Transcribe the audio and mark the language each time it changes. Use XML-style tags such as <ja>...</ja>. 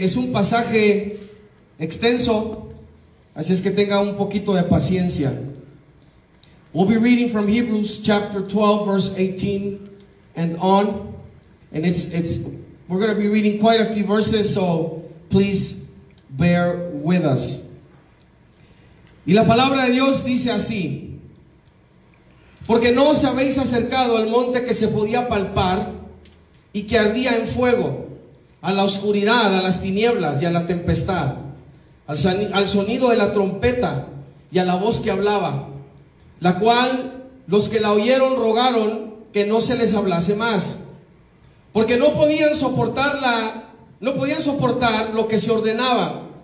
<es>Es un pasaje extenso, así es que tenga un poquito de paciencia.</es> <en>We'll be reading from Hebrews chapter 12, verse 18 and on. And we're going to be reading quite a few verses, so please bear with us.</en> <es>Y la palabra de Dios dice así: porque no os habéis acercado al monte que se podía palpar y que ardía en fuego, a la oscuridad, a las tinieblas y a la tempestad, al sonido de la trompeta y a la voz que hablaba, la cual los que la oyeron rogaron que no se les hablase más, porque no podían soportar lo que se ordenaba.</es>